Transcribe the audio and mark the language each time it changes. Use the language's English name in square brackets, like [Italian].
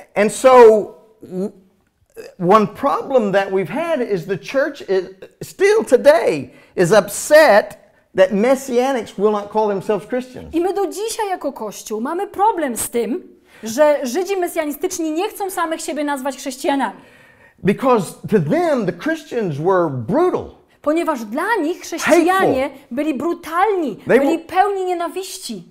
[English] And so one problem that we've had is the church is still today is upset that messianics will not call themselves Christians. [Polish] I my do dzisiaj jako Kościół mamy problem z tym, że Żydzi mesjanistyczni nie chcą samych siebie nazwać chrześcijanami. [English] Because to them the Christians were brutal. [Polish] Ponieważ dla nich chrześcijanie byli brutalni, byli pełni nienawiści.